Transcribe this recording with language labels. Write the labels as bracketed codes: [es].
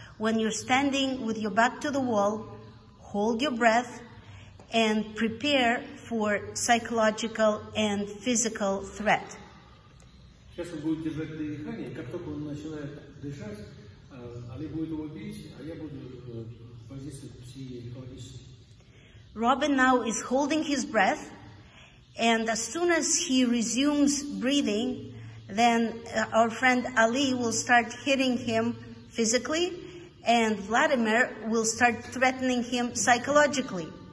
[en] When you're standing with your back to the wall, hold your breath and prepare for psychological and physical threat. [ru] Сейчас он будет держать дыхание, как только он начинает дышать, Али будет его бить, а я буду воздействовать психологически. [en] Robin now is holding his breath, and as soon as he resumes breathing, then our friend Ali will start hitting him physically, and Vladimir will start threatening him psychologically.